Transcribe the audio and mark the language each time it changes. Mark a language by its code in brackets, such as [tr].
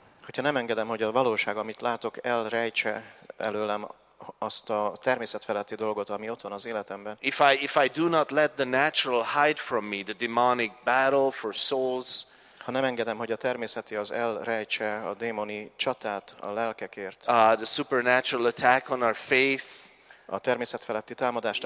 [hu] Hogyha nem engedem, hogy a valóság, amit látok, elrejtse előlem azt a természetfeletti dolgot, ami ott van az életemben. [en] If I do not let the natural hide from me, the demonic battle for souls. [hu] Ha nem engedem, hogy a természeti az elrejtse a démoni csatát a lelkekért. [en] The supernatural attack on our faith. [hu] A természetfeletti támadást a